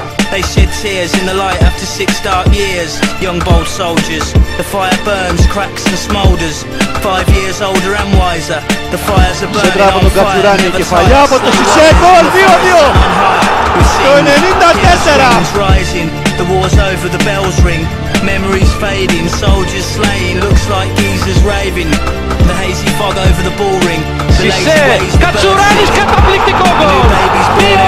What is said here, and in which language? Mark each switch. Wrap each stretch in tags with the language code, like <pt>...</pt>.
<en>They shed tears in the light after six dark years. Young bold soldiers, the fire burns, cracks and smoulders. 5 years older and wiser, the fires are burning on fire.</en> <el>Κεφαλιά από το Σισε, goal, 2-2. Το 94.</el> <en>The war's over, the bells ring. Memories fading, soldiers slain. Looks like geezers raving. The hazy fog over the ball ring.</en> <el>Σισε, Κατσουράνης, καταπληκτικό goal. 2-1.</el>